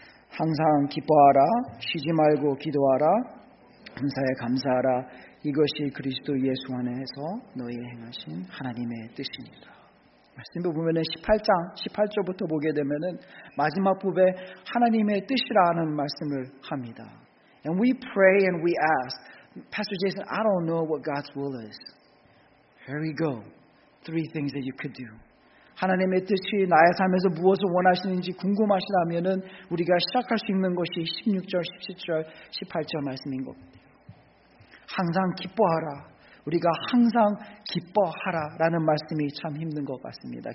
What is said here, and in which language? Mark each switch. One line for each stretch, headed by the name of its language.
Korean: 항상 기뻐하라, 쉬지 말고 기도하라, 감사에 감사하라. 이것이 그리스도 예수 안에서 너희의 행하신 하나님의 뜻입니다. 말씀 보면은 18장, 18절부터 보게 되면은 마지막 부분에 하나님의 뜻이라는 말씀을 합니다.
English: And we pray and we ask, Pastor Jason, I don't know what God's will is. Here we go. Three things that you could do.
Korean: 하나님의 뜻이 나의 삶에서 무엇을 원하시는지 궁금하시다면은 우리가 시작할 수 있는 것이 16절, 17절, 18절 말씀인 겁니다. 항상 기뻐하라. 우리가 항상 기뻐하라라는 말씀이 참 힘든 것 같습니다.